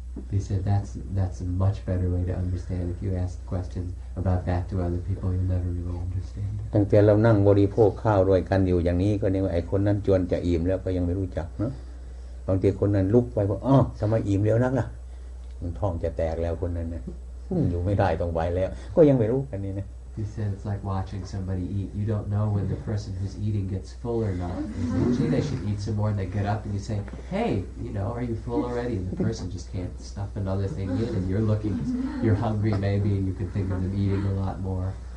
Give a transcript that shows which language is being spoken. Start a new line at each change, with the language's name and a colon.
English: He said, that's a much better way to understand. If you ask questions about that to other people, you'll never really understand.
Thai: ตั้งแต่เรานั่งบริโภคข้าวด้วยกันอยู่อย่างนี้ก็เนี่ยไอ้คนนั้นจวนจะอิ่มแล้วก็ยังไม่รู้จักเนาะบางทีคนนั้นลุกไปบอกอ๋อทำไมอิ่มแล้วนักล่ะมันท้องจะแตกแล้วคนนั้นเนี่ยอยู่ไม่ได้ต้องไปแล้วก็ยังไม่รู้กันนี่นะ
English: He said it's like watching somebody eat. You don't know when the person who's eating gets full or not. Usually they should eat some more and they get up and you say, hey, you know, are you full already? And the person just can't stuff another thing in and you're looking, you're hungry maybe and you can think of them eating a lot more.